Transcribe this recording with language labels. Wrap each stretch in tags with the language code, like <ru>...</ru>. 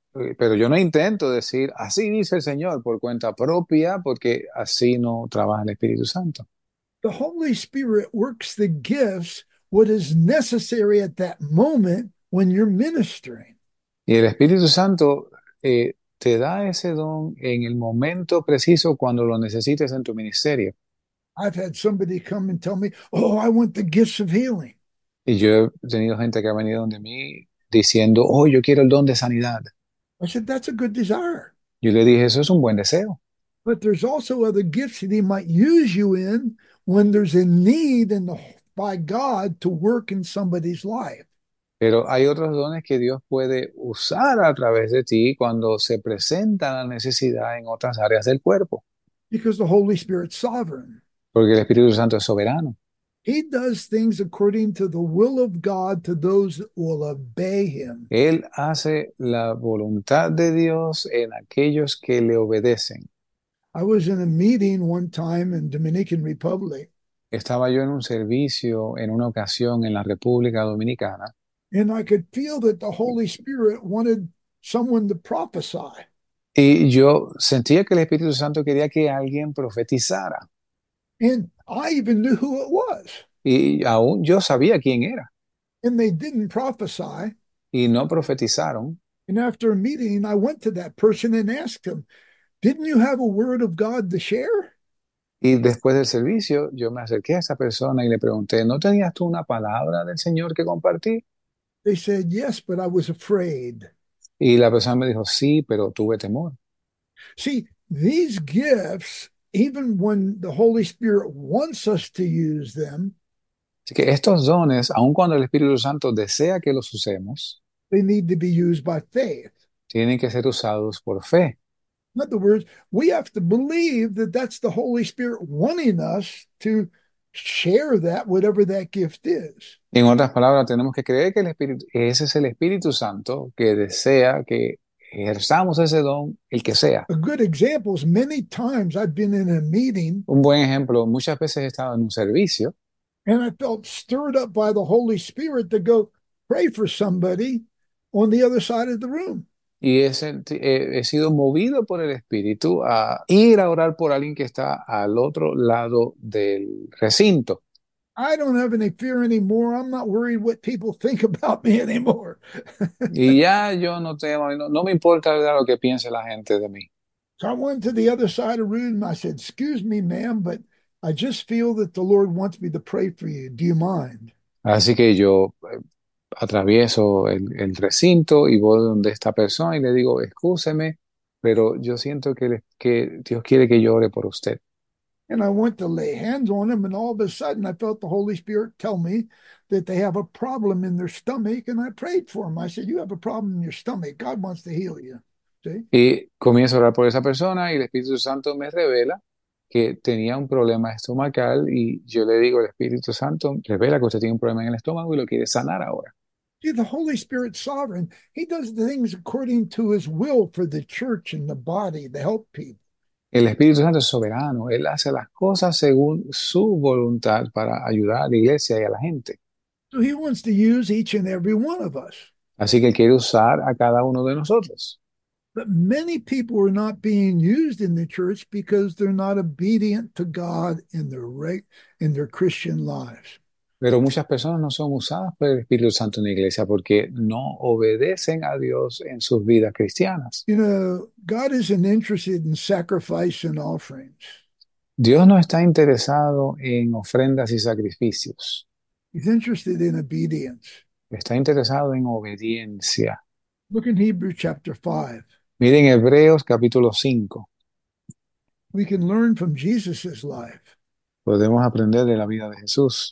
<es>Pero yo no intento decir, así dice el Señor por cuenta propia, porque así no trabaja el Espíritu Santo.</es> <en>The Holy Spirit works the gifts, what is necessary at that moment when you're ministering.</en> <es>Y el Espíritu Santo te da ese don en el momento preciso cuando lo necesites en tu ministerio.</es> <en>I've had somebody come and tell me, oh, I want the gifts of healing.</en> <es>Y yo he tenido gente que ha venido donde mí diciendo, oh, yo quiero el don de sanidad.</es> <en>I said, that's a good desire.</en> <es>Yo le dije, eso es un buen deseo.</es> <en>But there's also other gifts that he might use you in when there's a need in the, by God to work in somebody's life.</en> <es>Pero hay otros dones que Dios puede usar a través de ti cuando se presenta la necesidad en otras áreas del cuerpo.</es> <en>Because the Holy Spirit's sovereign.</en> <es>Porque el Espíritu Santo es soberano.</es> <en>He does things according to the will of God to those that will obey him.</en> <es>Él hace la voluntad de Dios en aquellos que le obedecen.</es> <en>I was in a meeting one time in Dominican Republic.</en> <es>Estaba yo en un servicio en una ocasión en la República Dominicana.</es> <en>And I could feel that the Holy Spirit wanted someone to prophesy.</en> <es>Y yo sentía que el Espíritu Santo quería que alguien profetizara.</es> <en>And I even knew who it was.</en> <es>Y aún yo sabía quién era.</es> <en>And they didn't prophesy.</en> <es>Y no profetizaron.</es> <en>And after a meeting, I went to that person and asked him, didn't you have a word of God to share?</en> <es>Y después del servicio, yo me acerqué a esa persona y le pregunté, ¿no tenías tú una palabra del Señor que compartir?</es> <en>They said, yes, but I was afraid.</en> <es>Y la persona me dijo, sí, pero tuve temor.</es> <en>See, these gifts, even when the Holy Spirit wants us to use them,</en> <es>Así que estos dones, aun cuando el Espíritu Santo desea que los usemos,</es> <en>they need to be used by faith.</en> <es>tienen que ser usados por fe.</es> <en>In other words, we have to believe that that's the Holy Spirit wanting us to share that, whatever that gift is.</en> <es>En otras palabras, tenemos que creer que el Espíritu, ese es el Espíritu Santo que desea que ejerzamos ese don, el que sea.</es> <en>A good example is many times I've been in a meeting</en> <es>Un buen ejemplo, muchas veces he estado en un servicio</es> <en>and I felt stirred up by the Holy Spirit to go pray for somebody on the other side of the room.</en> <es>y he sido movido por el Espíritu a ir a orar por alguien que está al otro lado del recinto.</es> <en>I don't have any fear anymore. I'm not worried what people think about me anymore.</en> <es>Y ya yo no tengo, no me importa lo que piense la gente de mí.</es> <en>So I went to the other side of the room and I said, excuse me, ma'am, but I just feel that the Lord wants me to pray for you. Do you mind?</en> <es>Así que yo atravieso el recinto y voy donde esta persona y le digo, excúseme, pero yo siento que Dios quiere que yo ore por usted.</es> <en>And I went to lay hands on him, and all of a sudden I felt the Holy Spirit tell me that they have a problem in their stomach, and I prayed for him. I said, you have a problem in your stomach. God wants to heal you. See?</en> <es>Y comienzo a orar por esa persona y el Espíritu Santo me revela que tenía un problema estomacal y yo le digo al Espíritu Santo, revela que usted tiene un problema en el estómago y lo quiere sanar ahora.</es> <en>See, the Holy Spirit's sovereign. He does the things according to his will for the church and the body to help people.</en> <es>El Espíritu Santo es soberano, él hace las cosas según su voluntad para ayudar a la iglesia y a la gente.</es> <en>So he wants to use each and every one of us.</en> <es>Así que él quiere usar a cada uno de nosotros.</es> <en>But many people are not being used in the church because they're not obedient to God in their Christian lives.</en> <es>Pero muchas personas no son usadas por el Espíritu Santo en la iglesia porque no obedecen a Dios en sus vidas cristianas.</es> <en>God isn't interested in sacrifice and offerings.</en> <es>Dios no está interesado en ofrendas y sacrificios.</es> <en>He's interested in obedience.</en> <es>Está interesado en obediencia.</es> <en>Look in Hebrews chapter 5.</en> <es>Miren Hebreos capítulo 5.</es> <en>we can learn from Jesus's life.</en> <es>Podemos aprender de la vida de Jesús.</es>